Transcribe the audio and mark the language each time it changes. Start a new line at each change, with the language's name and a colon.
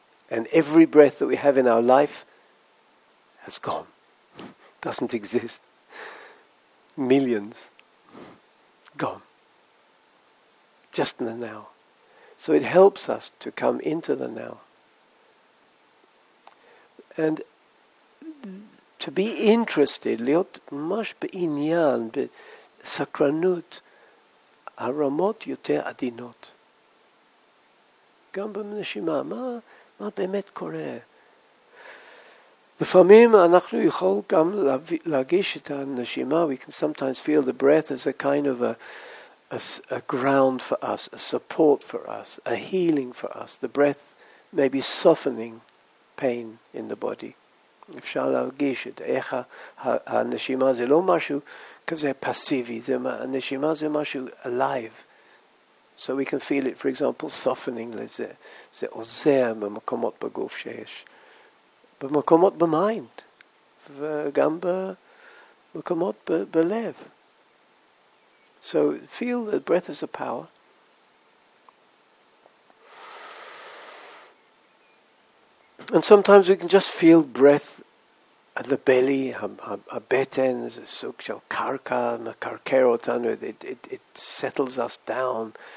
English: And every breath that we have in our life has gone, doesn't exist. Millions gone, just in the now. So it helps us to come into the now. And to be interested,
Hebrew: להיות ממש בעניין, בסקרנות, הרמות יותר עדינות. גם בנשימה, מה באמת קורה? לפעמים אנחנו יכול גם להגיש את הנשימה,
English: we can sometimes feel the breath as a kind of a ground for us, a support for us, a healing for us. The breath may be softening pain in the body.
Hebrew: אפשר להרגיש את איך הנשימה, זה לא משהו כזה פסיבי, הנשימה זה משהו
English: alive. So we can feel it, for example, softening
Hebrew: לזה. זה עוזר במקומות בגוף שיש. במקומות במיינד, וגם במקומות בלב.
English: So feel that breath is a power. And sometimes we can just feel breath at the belly,
Hebrew: הבטן, זה סוג של קרקע, מקרקר אותנו,
English: it settles us down.